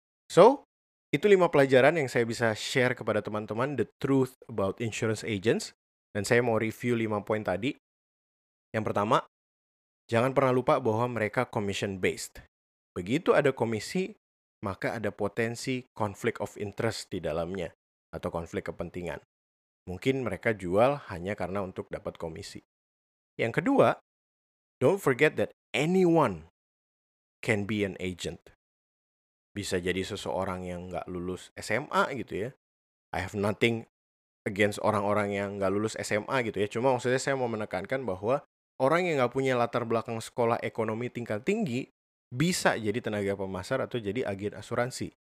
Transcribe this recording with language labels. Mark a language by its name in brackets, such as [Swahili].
[Indonesian] So, itu 5 pelajaran yang saya bisa share kepada teman-teman, [English] the truth about insurance agents, [Indonesian] dan saya mau review 5 poin tadi. Yang pertama, jangan pernah lupa bahwa mereka commission based. Begitu ada komisi, maka ada potensi conflict of interest di dalamnya, atau konflik kepentingan. Mungkin mereka jual hanya karena untuk dapat komisi. Yang kedua, [English] don't forget that anyone can be an agent. [Indonesian] Bisa jadi seseorang yang nggak lulus SMA gitu ya. [English] I have nothing against [Indonesian] orang-orang yang nggak lulus SMA gitu ya. Cuma maksudnya saya mau menekankan bahwa orang yang nggak punya latar belakang sekolah ekonomi tingkat tinggi bisa jadi tenaga pemasar atau jadi agen asuransi.